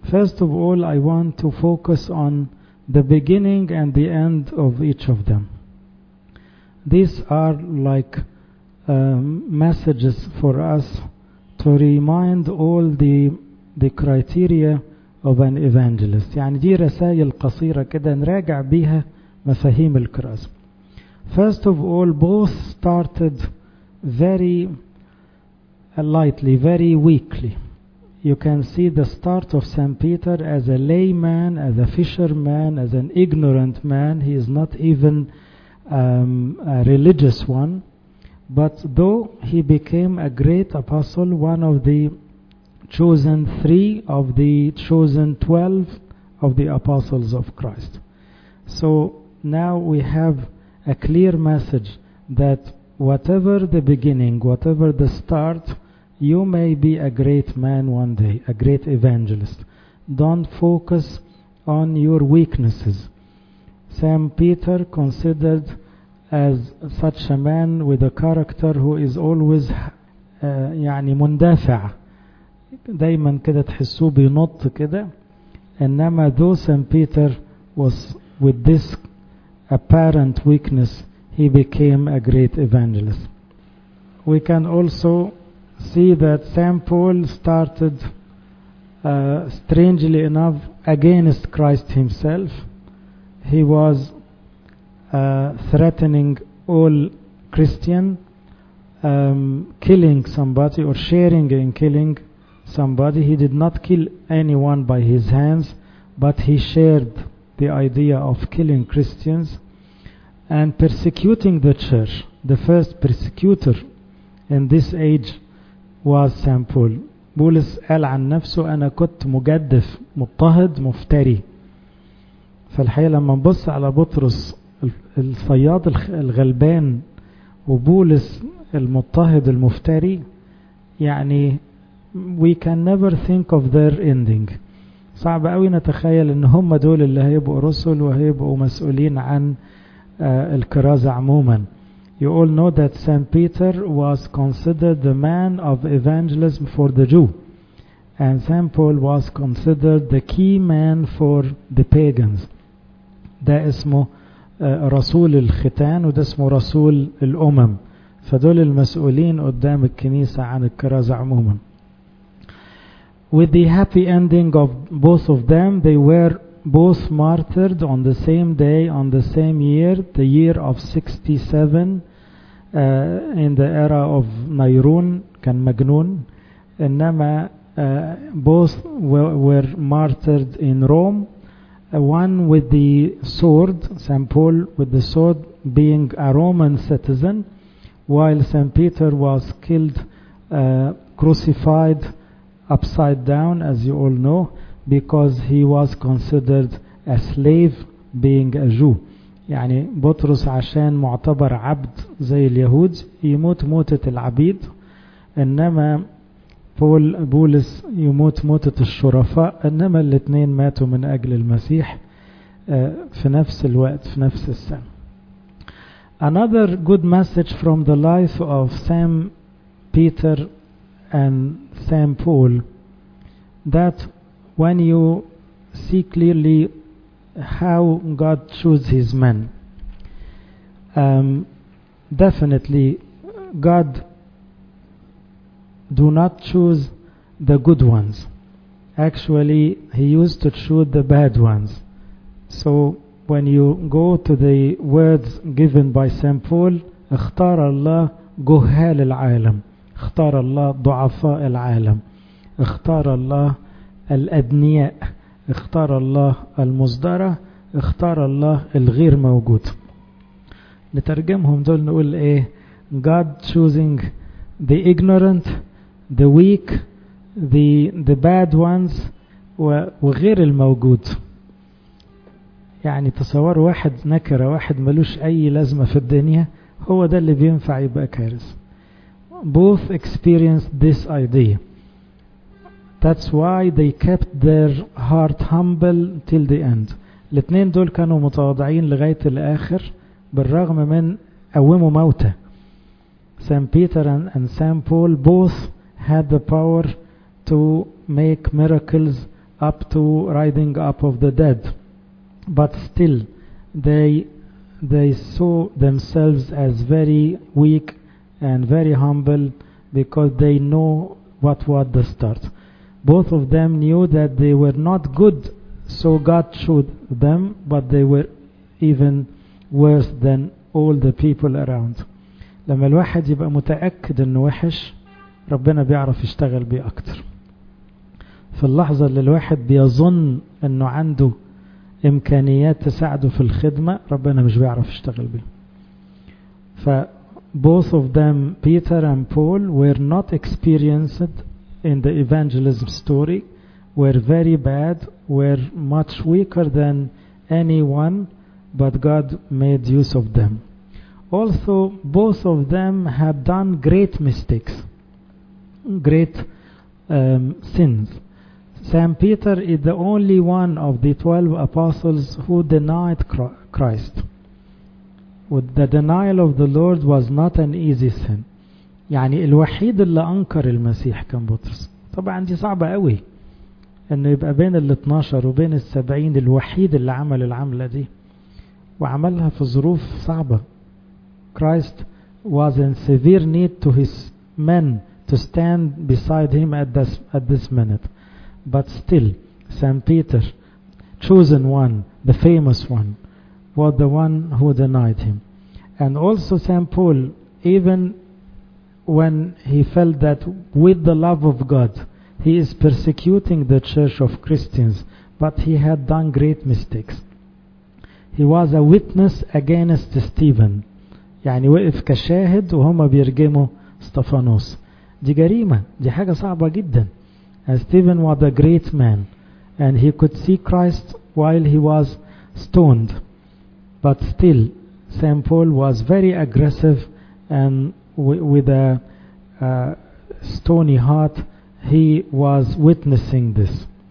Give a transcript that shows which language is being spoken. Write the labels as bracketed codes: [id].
[en] First of all, I want to focus on the beginning and the end of each of them. These are like messages for us to remind all the criteria of an evangelist. [ar] يعني دي رسائل قصيرة كده نراجع بيها مفاهيم الكراس. [en] First of all, both started very lightly, very weakly. You can see the start of Saint Peter as a layman, as a fisherman, as an ignorant man. He is not even a religious one. But though he became a great apostle, one of the chosen three of the chosen 12 of the apostles of Christ. So now we have a clear message that whatever the beginning, whatever the start, you may be a great man one day, a great evangelist. Don't focus on your weaknesses. Saint Peter considered as such a man with a character who is always [ar] يعني مندافع. دايما كده تحسوه بينط كده. إنما [en] though Saint Peter was with this apparent weakness, he became a great evangelist. We can also see that Saint Paul started strangely enough against Christ himself. He was threatening all Christian, killing somebody or sharing in killing somebody. He did not kill anyone by his hands, but he shared the idea of killing Christians and persecuting the church. The first persecutor in this age was Saint Paul. [ar] بولس قال عن نفسه أنا كنت مجدف مضطهد مفتري. فالحقيقة لما نبص على بطرس الصياد الغلبان وبولس المضطهد المفتري, يعني [en] we can never think of their ending. [ar] صعب قوي نتخيل ان هم دول اللي هيبقوا رسل وهيبقوا مسؤولين عن الكرازة عموما. [en] You all know that Saint Peter was considered the man of evangelism for the Jew, and Saint Paul was considered the key man for the pagans. [ar] ده اسمه رسول الختان وده اسمه رسول الأمم. فدول المسؤولين قدام الكنيسة عن الكرازة عموما. [en] With the happy ending of both of them, they were both martyred on the same day, on the same year, the year of 67. In the era of Nairun, [ar] كان مجنون. إنما [en] both were martyred in Rome, one with the sword, St. Paul with the sword, being a Roman citizen, while St. Peter was killed, crucified upside down, as you all know, because he was considered a slave, being a Jew. [ar] يعني بطرس عشان معتبر عبد زي اليهود يموت موتة العبيد, إنما بولس يموت موتة الشرفاء, إنما الاثنين ماتوا من أجل المسيح في نفس الوقت في نفس السنة. [en] Another good message from the life of Saint Peter and Saint Paul, that when you see clearly how God chose his men, definitely God do not choose the good ones. Actually, he used to choose the bad ones. So when you go to the words given by St. [ar] Paul, اختار الله جهال العالم, اختار الله ضعفاء العالم, اختار الله الأدنياء, اختار الله المصدرة, اختار الله الغير موجود. نترجمهم دول نقول ايه, [en] God choosing the ignorant, the weak, the bad ones, [ar] وغير الموجود. يعني تصور واحد نكرة, واحد ملوش اي لازمة في الدنيا, هو ده اللي بينفع يبقى كارث. [en] Both experienced this idea. That's why they kept their heart humble till the end. [ar] الاثنين دول كانوا متواضعين لغاية الآخر بالرغم من قوموا موته. [en] Saint Peter and Saint Paul both had the power to make miracles up to rising up of the dead. But still they saw themselves as very weak and very humble because they know what was the start. Both of them knew that they were not good, so God chose them, but they were even worse than all the people around. [ar] لما الواحد يبقى متأكد انه وحش, ربنا بيعرف يشتغل بيه اكتر. في اللحظة اللي الواحد بيظن انه عنده امكانيات تساعده في الخدمة, ربنا مش بيعرف يشتغل بيه. [en] ف both of them, Peter and Paul, were not experienced in the evangelism story, were very bad, were much weaker than anyone, but God made use of them. Also, both of them had done great mistakes, great sins. Saint Peter is the only one of the 12 apostles who denied Christ. The denial of the Lord was not an easy sin. [ar] يعني الوحيد اللي أنكر المسيح كان بطرس. طبعا دي صعبة قوي أنه يبقى بين الـ 12 وبين الـ 70 الوحيد اللي عمل العملة دي, وعملها في ظروف صعبة. [en] Christ was in severe need to his men to stand beside him at this minute. But still, Saint Peter, chosen one, the famous one, was the one who denied him. And also Saint Paul, even when he felt that with the love of God he is persecuting the church of Christians, but he had done great mistakes. He was a witness against Stephen. [ar] يعني وقف كشاهد وهما بيرجموا استفانوس. دي جريمة, دي حاجة صعبة جدا. [en] And Stephen was a great man and he could see Christ while he was stoned. But still, Saint Paul was very aggressive and with a stony heart, he was witnessing this.